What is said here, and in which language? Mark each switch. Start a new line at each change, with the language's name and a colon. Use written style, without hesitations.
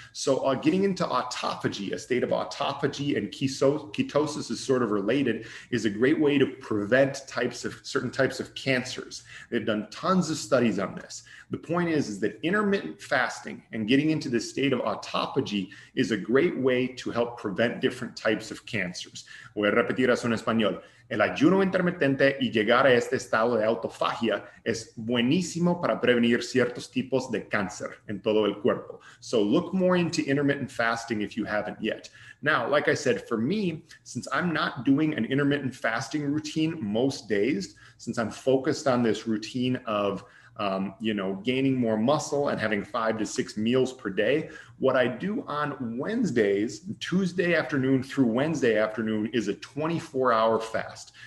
English: So getting into autophagy, a state of autophagy and ketosis is sort of related, is a great way to prevent certain types of cancers. They've done tons of studies on this. The point is that intermittent fasting and getting into this state of autophagy is a great way to help prevent different types of cancers.
Spanish: Voy a repetir eso en español. El ayuno intermitente y llegar a este estado de autofagia es buenísimo para prevenir ciertos tipos de cáncer en todo el cuerpo.
English: So look more into intermittent fasting if you haven't yet. Now, like I said, for me, since I'm not doing an intermittent fasting routine most days, since I'm focused on this routine of gaining more muscle and having five to six meals per day, what I do on Wednesdays, Tuesday afternoon through Wednesday afternoon, is a 24-hour fast.